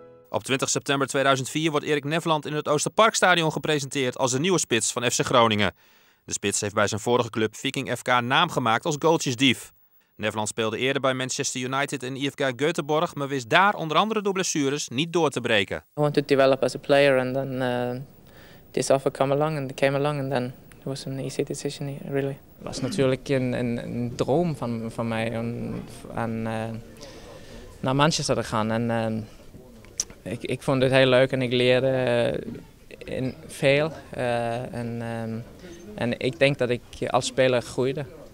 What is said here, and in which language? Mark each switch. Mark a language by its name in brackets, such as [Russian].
[Dutch] Op 20 september 2004 wordt Erik Nefland in het Oosterparkstadion gepresenteerd als de nieuwe spits van FC Groningen. De spits heeft bij zijn vorige club Viking FK naam gemaakt als goaltjesdief. Nevland speelde eerder bij Manchester United en IFK Göteborg, maar wist daar onder andere door blessures niet door te breken. [English] I wanted to develop as a player and then this offer came along and came along and then it was an easy decision really. [Dutch] Het was natuurlijk een droom van mij om naar Manchester te gaan. En ik vond het heel leuk en ik leerde veel. En ik denk dat ik als speler groeide.